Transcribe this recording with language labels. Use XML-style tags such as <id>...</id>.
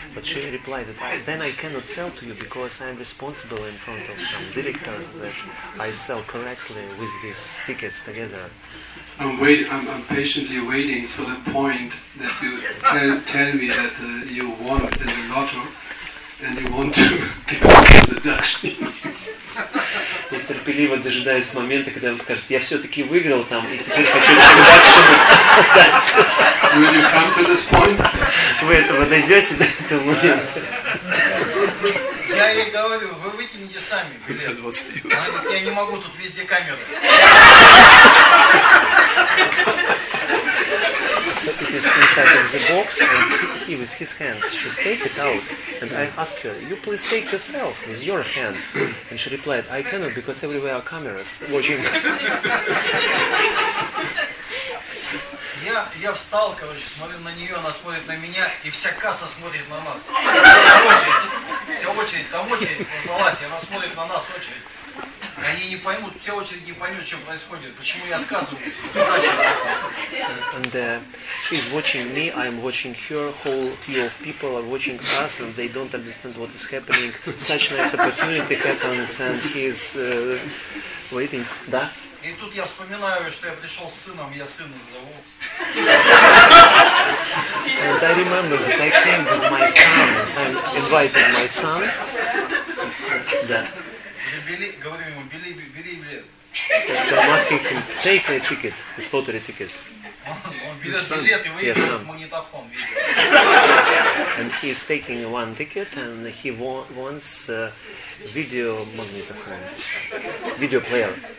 <en>But she replied that, then I cannot sell to you because I am responsible in front of some directors that I sell correctly with these tickets together. I'm patiently waiting for the point that you tell me that you won in the lottery. And you want to give us a deduction.</en> <ru>Я терпеливо дожидаюсь момента, когда вы скажете, я все-таки выиграл там, и теперь хочу deduction.</ru> <en>Will you come to this point?</en> <ru>Вы этого дойдете до этого момента? Я ей говорю, вы выкинете сами билет. Она говорит, я не могу, тут везде камеры.</ru> <en>So it is inside of the box, and he with his hand should take it out. And I ask her, you please take yourself with your hand. And she replied, I cannot, because everywhere are cameras watching.</en> <ru>Я встал, короче, смотрю на нее, она смотрит на меня, и вся касса смотрит на нас. Вся очередь, там очередь взялась, и она смотрит на нас, очередь. Они не поймут, все очередь не поймут, что происходит, почему я отказываюсь.</ru> <en>And she's watching me, I'm watching her, whole queue of people are watching us, and they don't understand what is happening. Such nice opportunity happens, and he's waiting.</en> <ru>Да? И тут я вспоминаю, что я пришел с сыном, я сына зову.</ru> <en>And I remember that I came with my son, I invited my son.</en> <ru>Да. Говорю ему, бери билет.</ru> <en>So I'm asking him, take a ticket, a lottery ticket.</en> <ru>Он берет билет и выигрывает магнитофон.</ru> <en>And he is taking one ticket and he wants video magnetophone, video player.</en>